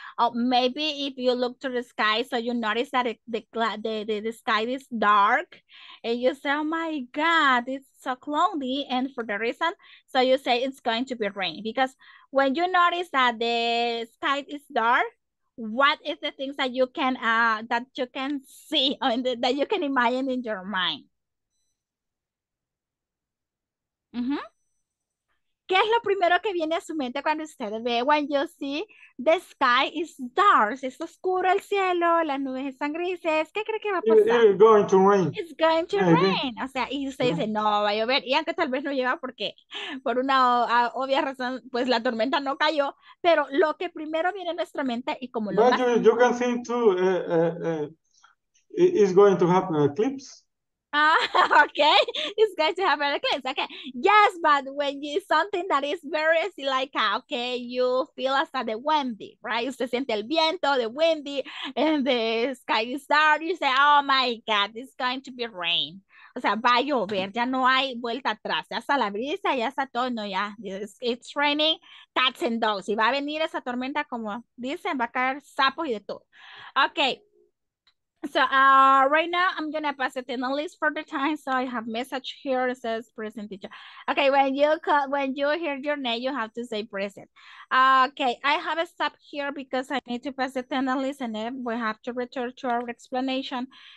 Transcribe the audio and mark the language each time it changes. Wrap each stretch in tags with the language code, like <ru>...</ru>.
<en>Or maybe if you look to the sky, so you notice that the sky is dark and you say, oh my God, it's so cloudy. And for the reason, so you say it's going to be rain because when you notice that the sky is dark, what is the things that you can see and that you can imagine in your mind?</en> <es>¿Qué es lo primero que viene a su mente cuando usted ve?</es> <en>When you see the sky is dark,</en> <es>es oscuro el cielo, las nubes están grises, ¿qué cree que va a pasar?</es> <en>It's going to rain. It's going to rain.</en> <es>O sea, y usted dice, no, va a llover. Y aunque tal vez no lleva porque, por una obvia razón, pues la tormenta no cayó. Pero lo que primero viene a nuestra mente y como lo más...</es> <en>You can think too, it's going to happen an eclipse. Okay, it's going to have an eclipse. Okay, yes, but when you something that is very like, okay, you feel as the windy, right? You</en> <es>siente el viento,</es> <en>the windy, and the sky is dark. You say, oh my God, it's going to be rain.</en> <es>O sea, va a llover, ya no hay vuelta atrás. Ya está la brisa, ya está todo, no, ya.</es> <en>It's raining cats and dogs.</en> <es>Y va a venir esa tormenta, como dicen, va a caer sapo y de todo. Okay.</es> <en>So right now I'm gonna pass it in the list for the time. So I have message here that says present teacher. Okay, when you hear your name, you have to say present. Okay, I have a stop here because I need to pass it in the list, and then we have to return to our explanation.</en>